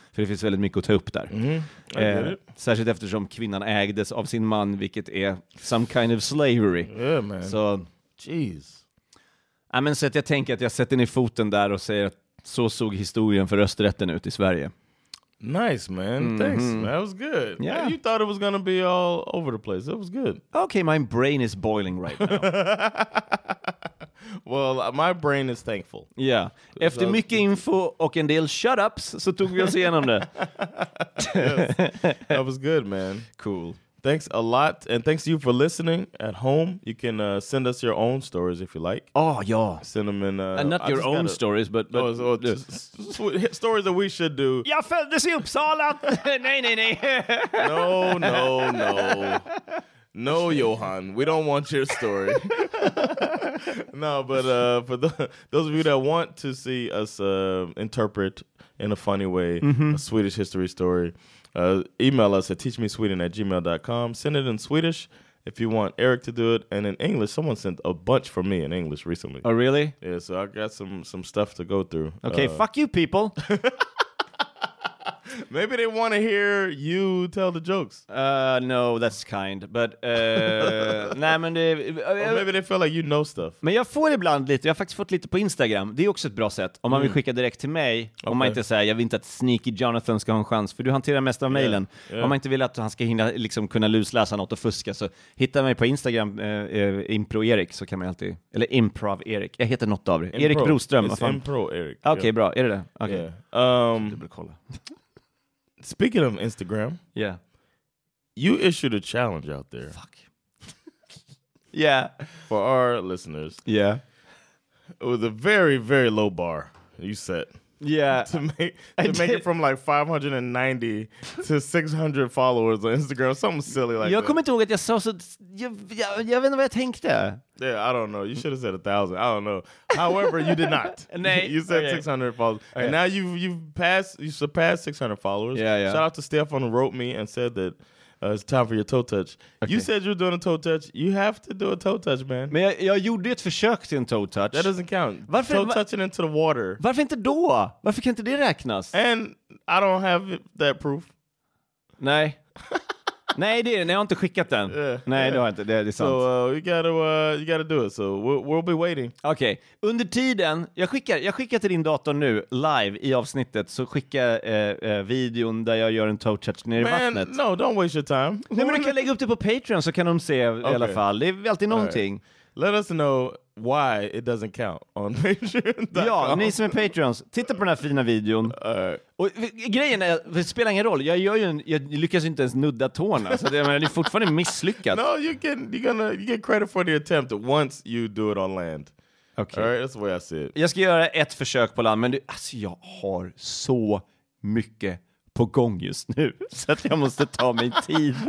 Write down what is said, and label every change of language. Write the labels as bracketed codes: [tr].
[sv] För det finns väldigt mycket att ta upp där. Särskilt eftersom kvinnan ägdes av sin man, vilket är [en] some kind of slavery. Yeah, man. [sv] Så, [en] jeez. [sv] Ja, men så att jag tänker att jag sätter ner foten där och säger att så såg historien för rösträtten ut i Sverige. [en] Nice, man. Mm-hmm. Thanks. That was good. Yeah. You thought it was gonna be all over the place. It was good. Okay, my brain is boiling right now. Well, my brain is thankful. Yeah. [sv] Efter mycket info och en del shut-ups så tog vi oss igenom det. [en] Yes. That was good, man. Cool. Thanks a lot. And thanks to you for listening at home. You can send us your own stories if you like. Oh, yeah. Send them in. Not your own stories, but stories that we should do. [sv] Jag följdes i Uppsala. Nej, nej, nej. [en] No, no, no. No, Johan. We don't want your story. No, but for those of you that want to see us interpret in a funny way, mm-hmm, a Swedish history story, email us at teachmesweden@gmail.com. Send it in Swedish if you want Eric to do it. And in English, someone sent a bunch for me in English recently. Oh, really? Yeah, so I got some stuff to go through. Okay, fuck you, people. Maybe they want to hear you tell the jokes. No, that's kind. But [sv] nej, men det, [en] or maybe they feel like you know stuff. [sv] Men jag får ibland lite. Jag har faktiskt fått lite på Instagram. Det är också ett bra sätt. Om man vill skicka direkt till mig. Okay. Om man inte säger, jag vill inte att Sneaky Jonathan ska ha en chans. För du hanterar mest av mejlen. Yeah. Yeah. Om man inte vill att han ska hinna liksom kunna lusläsa något och fuska. Så hitta mig på Instagram. Impro Erik. Så kan man alltid. Eller Improv Erik. Jag heter något av det. Impro. Erik Broström. [en] It's Impro Erik. [sv] Okej, okay, yeah, bra. Är det det? Okej. [en] Okay. [sv] Yeah. Kolla. [en] Speaking of Instagram, yeah, you issued a challenge out there. Fuck. Yeah. For our listeners. Yeah. It was a very, very low bar you set. Yeah. To make it from like 590 to 600 followers on Instagram. Something silly like [sv] that. Jag kommer inte ihåg att jag sa så. Jag vet inte vad jag tänkte. [en] Yeah, I don't know. You should have said 1,000. I don't know. However, you did not. [sv] Nej. [en] You said, okay, 600 followers. Okay. And now you surpassed 600 followers. Yeah, yeah. Shout out to Stefan, who wrote me and said that it's time for your toe touch. Okay. You said you were doing a toe touch. You have to do a toe touch, man. [sv] Men jag gjorde ett försök till en toe touch. [en] That doesn't count. [sv] Varför, [en] toe touching into the water. [sv] Varför inte då? Varför kan inte det räknas? [en] And I don't have that proof. [sv] Nej. Nej, det är det. Jag har inte skickat den. [en] Yeah, [sv] nej, [en] yeah, [sv] det har jag inte. Det är sant. [en] So you gotta do it. So we'll be waiting. [sv] Okej. Okay. Under tiden, jag skickar till din dator nu, live i avsnittet. Så skickar videon där jag gör en toe touch ner, man, i vattnet. [en] No, don't waste your time. [sv] Nej, men du kan lägga upp det på Patreon så kan de se, okay, i alla fall. Det är alltid någonting. [en] Right. Let us know why it doesn't count on Patreon. [sv] Ja, ni som är Patreons, titta på den här fina videon. [en] Right. [sv] Och grejen är, det spelar ingen roll. Jag lyckas inte ens nudda tårna, så det, men det är fortfarande misslyckat. [en] No, you get credit for the attempt once you do it on land. Okay. All right, that's the way I see it. [sv] Jag ska göra ett försök på land, men jag har så mycket på gång just nu, så att jag måste ta min tid.